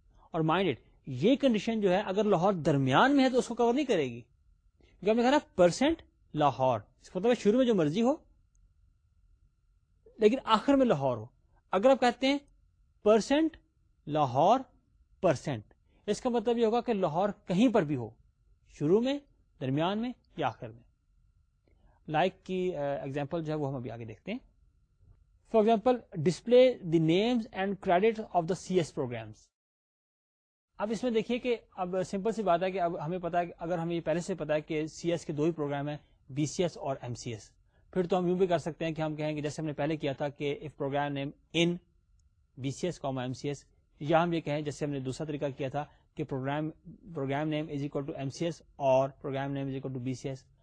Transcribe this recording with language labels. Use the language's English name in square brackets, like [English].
[English] اور mind it, [Urdu] یہ condition جو ہے اگر لاہور درمیان میں ہے تو اس کو کور نہیں کرے گی, کیونکہ آپ نے کہا نا پرسنٹ لاہور, اس کا مطلب شروع میں جو مرضی ہو لیکن آخر میں لاہور ہو. اگر آپ کہتے ہیں پرسنٹ لاہور پرسنٹ, اس کا مطلب یہ ہوگا کہ لاہور کہیں پر بھی ہو, شروع میں, درمیان میں یا آخر میں. لائک کی ایگزامپل جو ہے وہ ہم ابھی آگے دیکھتے ہیں. [English] For example display the names and credit of the C S programs. [Urdu] اب اس میں دیکھیے کہ اب سمپل سی بات ہے کہ اب ہمیں پتا ہے, اگر ہمیں پہلے سے پتا ہے کہ سی ایس کے دو ہی پروگرام ہیں, بی سی ایس اور ایم سی ایس, پھر تو ہم یوں بھی کر سکتے ہیں کہ ہم کہیں کہ جیسے ہم نے پہلے کیا تھا کہ if program name in B C S comma M C S, یا ہم یہ کہیں جیسے ہم نے دوسرا طریقہ کیا تھا کہ program name is equal to M C S اور program name is equal to B C S.